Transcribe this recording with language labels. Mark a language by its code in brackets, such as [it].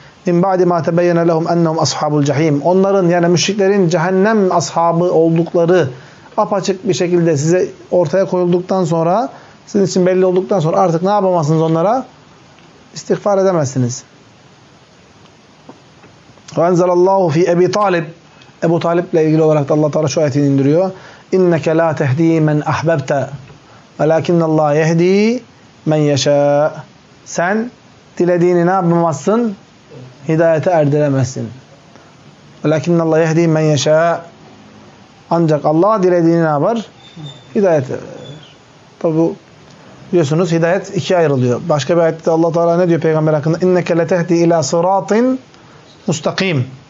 [ar] Min ba'di ma tebayyana lahum ennahum ashabul cehim. [tr] Onların yani müşriklerin cehennem ashabı oldukları apaçık bir şekilde size ortaya koyulduktan sonra, sizin için belli olduktan sonra artık ne yapamazsınız onlara? İstiğfar edemezsiniz. [ar] وَاَنْزَلَ اللّٰهُ ف۪ي اَب۪ي طَالِبٍ. [tr] Ebu Talip'le ilgili olarak da Allah Teala şu ayetini indiriyor. [ar] اِنَّكَ لَا تَهْد۪ي مَنْ اَحْبَبْتَ وَلَاكِنَّ اللّٰهَ يَهْد۪ي مَنْ يَشَاءَ. [tr] Sen dilediğini ne yapamazsın? hidayete erdiremezsin. [ar] Lakin Allah yehdi men yeşâ. [tr] Ancak Allah dilediğini ne yapar? Hidayet eder. Tabi bu biliyorsunuz hidayet ikiye ayrılıyor. Başka bir ayette Allah Teala ne diyor peygamber hakkında? [ar] İnneke letehdi ilâ sıratin mustakim.